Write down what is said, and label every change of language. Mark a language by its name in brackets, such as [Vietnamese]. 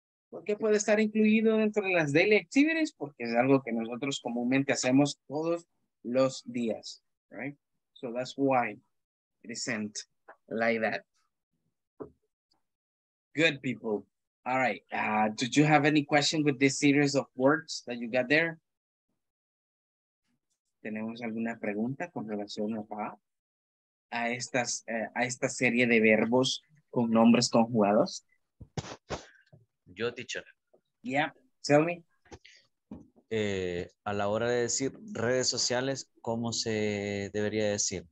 [Spanish] ¿Por qué puede estar incluido dentro de las daily activities? Porque es algo que nosotros comúnmente hacemos todos los días, right? [English] So that's why it is sent like that. Good people. All right. Did you have any question with this series of words that you got there? [Spanish] ¿Tenemos alguna pregunta con relación a esta serie de verbos con nombres conjugados? Yo, teacher. [English] Yeah, tell me. [Spanish] A la hora de decir redes sociales, ¿cómo se debería decir?